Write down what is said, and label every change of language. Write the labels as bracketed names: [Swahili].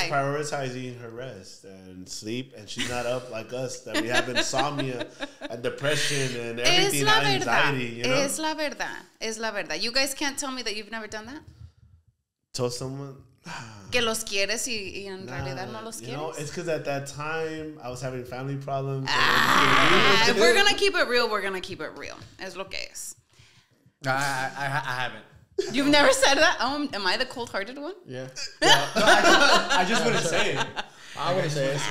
[English] She's prioritizing her rest and sleep, and she's not up like us that we have insomnia and depression and everything. [Spanish] Es la verdad. [English] Anxiety, you know? [Spanish] Es la verdad. [English] You guys can't tell me that you've never done that? Tell someone. [Spanish] Que los quieres y en realidad no los quieres. [English] You know, it's because at that time I was having family problems. If we're going to keep it real, we're going to keep it real. [Spanish] Es lo que es. [English] I haven't. You've never said that? Oh, am I the cold hearted one? Yeah. I just wouldn't say it. I wouldn't say it.